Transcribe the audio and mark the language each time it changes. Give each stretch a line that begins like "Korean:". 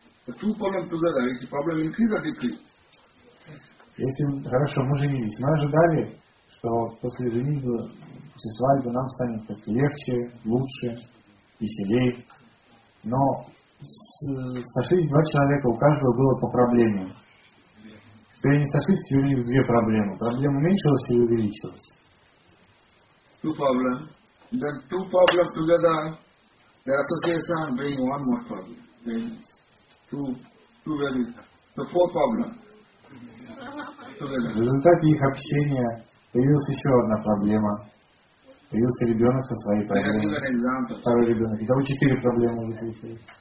English: The two problem together, is the problem increase or decrease?
Russian: Если хорошо, мы женились. Мы ожидали, что после женитьбы, после свадьбы нам станет как-то легче, лучше, веселее. Но сошлись два человека, у каждого было по проблеме. Теперь не сошлись, теперь у них две проблемы. Проблема уменьшилась или увеличилась?
English: Two problems. Then two problems together, the association bring one more problem. Then two very, the four problems.
Russian: В результате их общения появилась еще одна проблема. Появился ребенок со своей проблемой. Второй ребенок. Итого четыре проблемы уже получились.